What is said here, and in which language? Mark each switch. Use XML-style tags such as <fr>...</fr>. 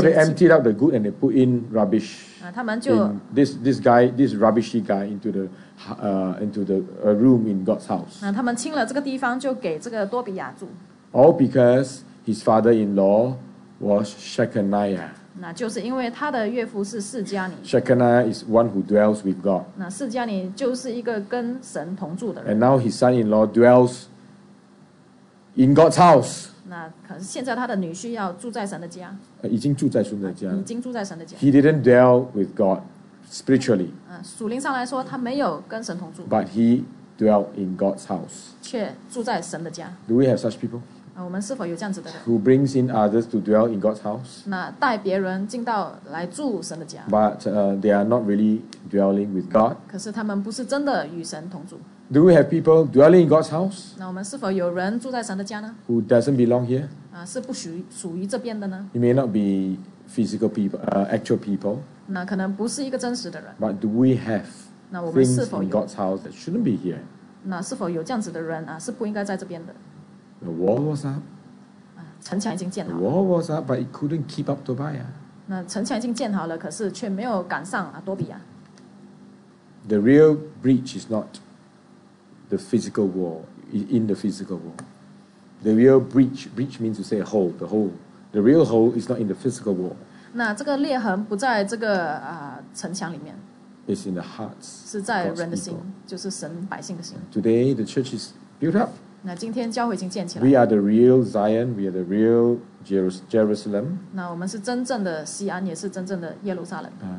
<en>So they emptied out the good and they put in rubbish.</en> <zh>他们就</zh> <en>this rubbishy guy into the room in God's house.</en> <zh>他们清了这个地方，就给这个多比亚住。</zh> <en>All because his father-in-law was Shechaniah.</en> <zh>那就是因为他的岳父是释迦尼。</zh> <en>Shechaniah is one who dwells with God.</en> <zh>那释迦尼就是一个跟神同住的人。</zh> <en>And now his son-in-law dwells. In God's house.</en> <zh>那可是现在他的女婿要住在神的家。已经住在神的家。已经住在神的家。</zh> <en>He didn't dwell with God spiritually.</en> <zh>属灵上来说，他没有跟神同住。</zh> <en>But he dwelt in God's house.</en> <zh>却住在神的家。</zh> <en>Do we have such people?</en> <zh>我们是否有这样子的人？</zh> <en>Who brings in others to dwell in God's house?</en> <zh>那带别人进到来住神的家。</zh> <en>But they are not really dwelling with God.</en> <zh>可是他们不是真的与神同住。</zh> <en>Do we have people dwelling in God's house?</en> <zh>那我们是否有人住在神的家呢？</zh> <en>Who doesn't belong here?</en> <zh>是不属于这边的呢？</zh> <en>It may not be physical people, actual people.</en> <zh>那可能不是一个真实的人。</zh> <en>But do we have things in God's house that shouldn't be here?</en> <zh>那是否有这样子的人是不应该在这边的？</zh> <en>The wall was up.</en> <zh>城墙已经建好了。</zh> <en>The wall was up, but it couldn't keep up Tobiah.</en> <zh>那城墙已经建好了，可是却没有赶上多比亚。</zh> <en>The real breach is not. The physical wall, in the physical wall. The real breach means to say a hole, the hole. The real hole is not in the physical wall.</en> <zh>那这个裂痕不在这个城墙里面。</zh> <en>It's in the hearts.</en> <zh>是在人的心，就是神百姓的心。</zh> <en>Today, the church is built up.</en> <zh>那今天教会已经建起来。</zh> <en>We are the real Zion, we are the real Jerusalem.</en> <zh>那我们是真正的西安，也是真正的耶路撒冷。</zh>